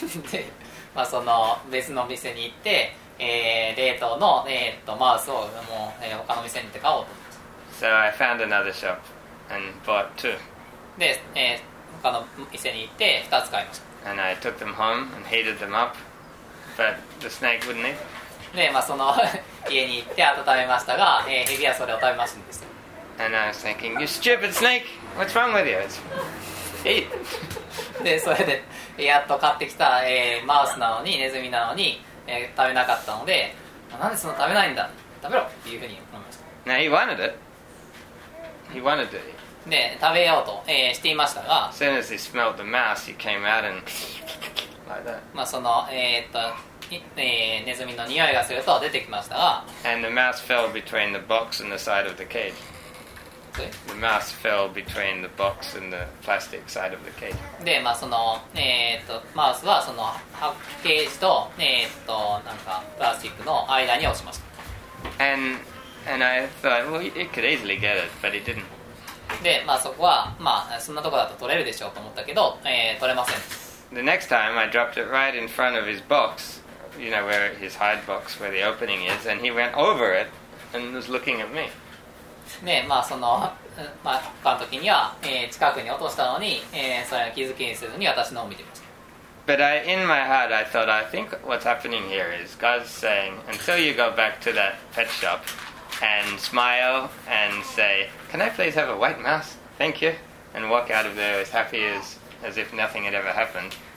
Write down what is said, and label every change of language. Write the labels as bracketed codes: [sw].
[ja] で、まあ、その、別の店に行って、冷凍の、マウスをもう、他の店に行って買おうと。 [en] So I found another shop and bought two. [ja] で、他の店に行って二つ買いました。 [en] And I took them home and heated them up, but the snake wouldn't eat. [ja] で、まあ、その家に行って温めましたが、蛇はそれを食べませんでした。 [en] And I was thinking, you stupid snake! What's wrong with you? It's eat. [ja] で、それでやっと買ってきた、マウスなのにネズミなのに、食べなかったので、まあ、なんでそんな食べないんだ？食べろっていうふうに思いました。 [en] Now he wanted it. He wanted to eat. [ja] で、食べようと、していましたが、 [en] As soon as he smelled the mouse, he came out and like that. [ja] まあその、ネズミの匂いがすると出てきましたが、 [en] And the mouse fell between the box and the side of the cage. The mouse fell between the box and the plastic side of the cage. [ja] で、まあその、マウスはその、ケージと、なんか、プラスチックの間に落ちました。 [en] And I thought, well, it could easily get it, but it didn't. [ja] で、まあそこは、まあそんなとこだと取れるでしょうと思ったけど、取れません。 [en] The next time, I dropped it right in front of his box, you know, where his hide box, where the opening is, and he went over it and was looking at me. [ja] ね、まあその、まあ、パンの時には、近くに落としたのに、それを気づきにせずに私のを見てました。 [en] But I, in my heart, I thought, I think what's happening here is God's saying, until you go back to that pet shop and smile and say, can I please have a white mouse? Thank you. And walk out of there as happy as if nothing had ever happened.